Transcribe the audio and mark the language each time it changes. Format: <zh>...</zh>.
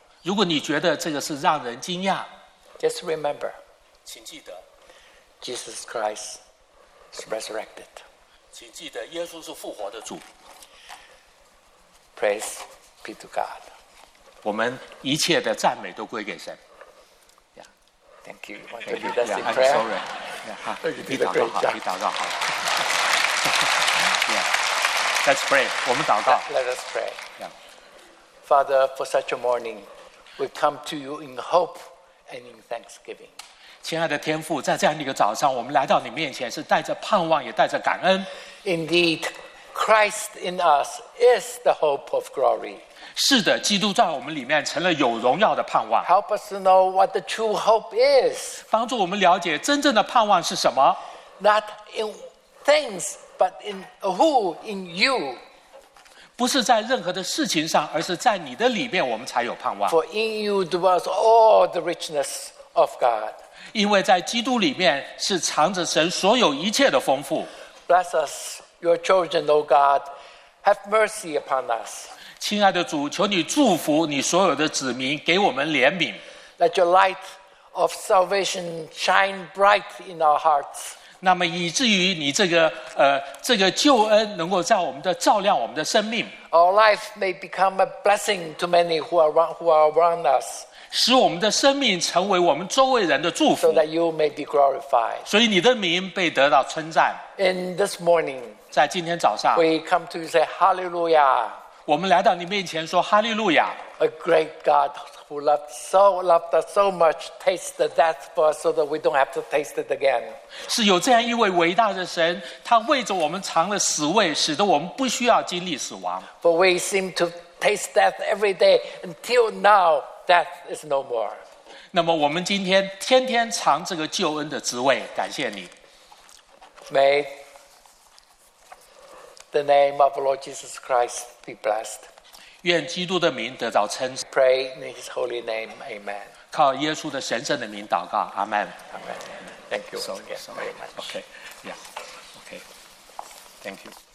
<zh>如果你觉得这个是让人惊讶</zh> <en>，Just remember，</en> <zh>请记得</zh> <en>，Jesus Christ is resurrected，</en> <zh>请记得耶稣是复活的主。</zh> <en>Praise be to God，</en> <zh>我们一切的赞美都归给神。</zh> <en>Yeah， thank you， want to do that in prayer？ I'm sorry，</en> <zh>你祷告好，你祷告好。</zh> <en>Yeah， let's pray，</en> <zh>我们祷告。</zh> <en>Let us pray。 Father， for such a morning。 We come to you in hope and in thanksgiving.</en> <zh>亲爱的天父，在这样一个早上，我们来到你面前，是带着盼望，也带着感恩。</zh> <en>Indeed, Christ in us is the hope of glory.</en> <zh>是的，基督在我们里面成了有荣耀的盼望。</zh> <en>Help us to know what the true hope is.</en> <zh>帮助我们了解真正的盼望是什么。</zh> <en>Not in things, but in who, in you.</en> <zh>不是在任何的事情上，而是在你的里面，我们才有盼望。</zh> <en>For in you dwells all the richness of God.</en> <zh>因为在基督里面是藏着神所有一切的丰富。</zh> <en>Bless us, your children, O God. Have mercy upon us.</en> <zh>亲爱的主，求你祝福你所有的子民，给我们怜悯。</zh> <en>Let your light of salvation shine bright in our hearts.</en> <zh>那么以至于你这个救恩能够在我们的照亮我们的生命。</zh> <en>Our life may become a blessing to many who are around us.</en> <zh>使我们的生命成为我们周围人的祝福。</zh> <en>So that you may be glorified.</en> <zh>所以你的名被得到称赞。</zh> <en>In this morning,</en> <zh>在今天早上</zh> <en>we come to say hallelujah.</en> <zh>我们来到你面前说哈利路亚。</zh> <en>A great God who loved us so much, taste the death for us so that we don't have to taste it again.</en> <zh>是有这样一位伟大的神，他为着我们尝了死味，使得我们不需要经历死亡。</zh> <en>For we seem to taste death every day until now, death is no more.</en> <zh>那么我们今天天天尝这个救恩的滋味，感谢你。</zh> <en>May the name of Lord Jesus Christ be blessed.</en> <zh>愿基督的名得到称。</zh> <en>Pray in His holy name, Amen.</en> <zh>靠耶稣的神圣的名祷告，阿门。</zh> <en>Amen. Thank you. So, again, so very much. Okay. Yeah. Okay. Thank you.</en>